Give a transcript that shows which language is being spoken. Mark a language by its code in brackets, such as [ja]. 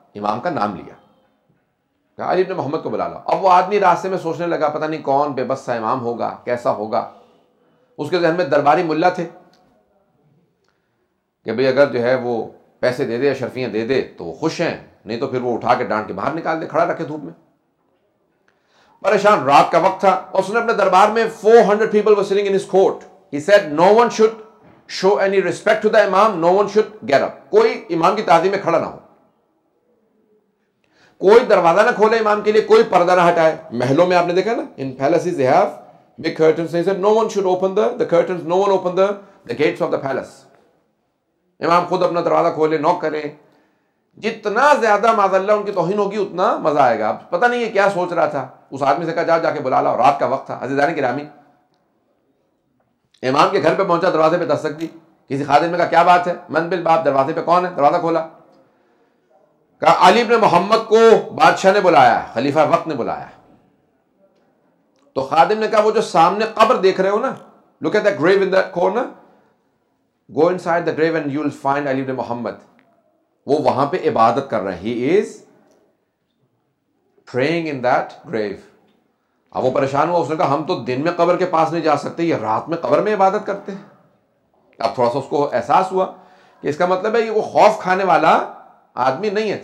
[ur] امام کا نام لیا, کہا علی ابن محمد کو بلا لاؤ. اب وہ آدمی راستے میں سوچنے لگا, پتہ نہیں کون بے بس سا امام ہوگا, کیسا ہوگا. اس کے ذہن میں درباری ملا تھے کہ بھئی اگر جو ہے وہ پیسے دے دے, اشرفیاں دے دے تو وہ خوش ہیں, نہیں تو پھر وہ اٹھا کے ڈانٹ کے باہر نکال دے، کھڑا رکھے دھوپ میں پریشان. رات کا وقت تھا، اس نے اپنے دربار میں 400 [en] People were sitting in his court. He said no one should show any respect to the امام، no one should get up. [ur] کوئی امام کی تعظیم میں کھڑا نہ ہو، کوئی دروازہ نہ کھولے امام کے لیے، کوئی پردہ نہ ہٹائے. محلوں میں آپ نے دیکھا نا، [en] In palaces they have big curtains. He said no one should open the curtains, no one open the gates of the palace. [ur] امام خود اپنا دروازہ کھولے، نوک کرے. جتنا زیادہ معاذ اللہ ان کی توہین ہوگی اتنا مزہ آئے گا. پتہ نہیں یہ کیا سوچ رہا تھا، اس آدمی سے کہا جا کے بلا لاؤ. رات کا وقت تھا، عزیزان گرامی، امام کے گھر پہ پہنچا، دروازے پہ دستک دی. کسی خادم نے کہا کیا بات ہے، [ar] من بالباب، [ur] دروازے پہ کون ہے؟ دروازہ کھولا، کہا علی ابن محمد کو بادشاہ نے بلایا، خلیفہ وقت نے بلایا. تو خادم نے کہا وہ جو سامنے قبر دیکھ رہے ہو نا، [en] Look at the grave in the corner, go inside the grave and you will find Ali ibn Muhammad. [ur] وہ وہاں پہ عبادت کر رہے ہیں، [en] He is praying in that grave. [ur] اب وہ پریشان ہوا، اس نے کہا ہم تو دن میں قبر کے پاس نہیں جا سکتے، یہ رات میں قبر میں عبادت کرتے ہیں. اب تھوڑا سا اس کو احساس ہوا کہ اس کا مطلب ہے یہ وہ خوف کھانے والا آدمی نہیں ہے.